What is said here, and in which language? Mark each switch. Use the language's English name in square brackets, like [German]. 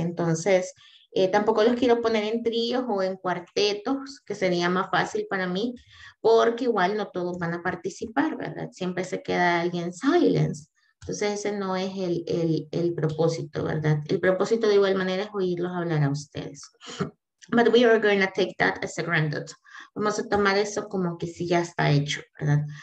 [Spanish] Entonces, tampoco los quiero poner en tríos o en cuartetos, que sería más fácil para mí, porque igual no todos van a participar, ¿verdad? Siempre se queda alguien silence. Entonces ese no es el propósito, ¿verdad? El propósito de igual manera es oírlos hablar a ustedes. [English] But we are going to take that as a granted. [Spanish] Vamos a tomar eso como que sí ya está hecho, ¿verdad?